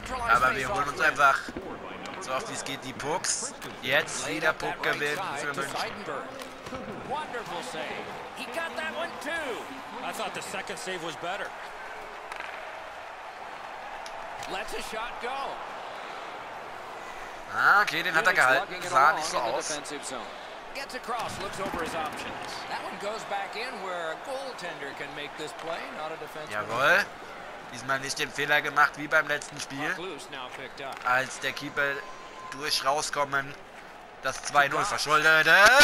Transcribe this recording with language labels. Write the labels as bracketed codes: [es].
[de] Aber wir holen uns einfach so oft wie es geht die Pucks. Jetzt wieder Puck gewinnen für München. [en] Wonderful save. He got that one too. I thought the second save was better. Let's a shot go. [de] Ah, okay, den hat er gehalten. Sah nicht so aus. [en] Gets across, looks over his options. That one goes back in where a goaltender can make this play, not a defenseman. [de] Jawohl. Diesmal nicht den Fehler gemacht wie beim letzten Spiel, als der Keeper durch rauskommen das 2-0 verschuldete.